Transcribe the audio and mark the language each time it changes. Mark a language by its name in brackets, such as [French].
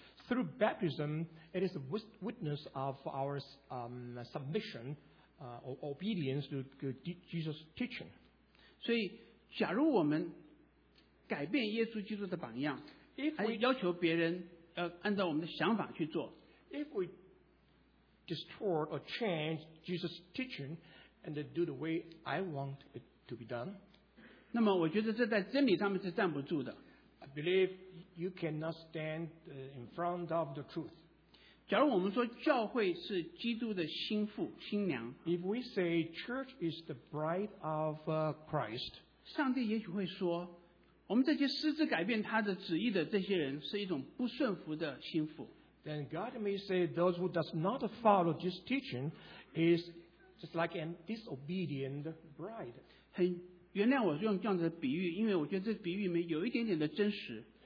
[English] Through baptism, it is a witness of our submission or obedience to Jesus' teaching. [Chinese] 所以，假如我们改变耶稣基督的榜样，还要求别人按照我们的想法去做。 [English] If we distort or change Jesus' teaching and do the way I want it to be done, [Chinese] 那么我觉得这在真理上面是站不住的。 [English] I believe you cannot stand in front of the truth. [Chinese] 假如我们说教会是基督的心腹、新娘 [English] ，If we say church is the bride of Christ, [Chinese] 上帝也许会说。我们这些私自改变他的旨意的这些人是一种不顺服的心腹。 [English] Then God may say those who does not follow this teaching is just like a disobedient bride. [Chinese] 很原谅我用这样的比喻，因为我觉得这比喻里面有一点点的真实。